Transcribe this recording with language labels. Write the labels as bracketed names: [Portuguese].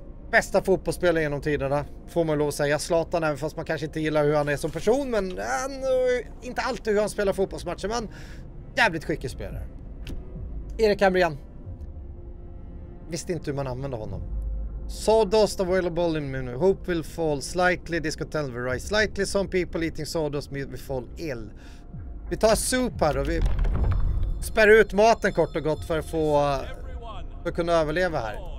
[Swedish] bästa fotbollsspelare genom tiderna får man lov att säga. Zlatan även fast man kanske inte gillar hur han är som person. Men inte alltid hur han spelar fotbollsmatcher. Men jävligt skicklig spelare. Erik Hamrén. Visste inte hur man använder honom. [English] Sawdust available in menu. Hope will fall slightly. Discontent will rise slightly. Some people eating sawdust may fall ill. [Swedish] Vi tar soup här och vi spär ut maten kort och gott för att kunna överleva här.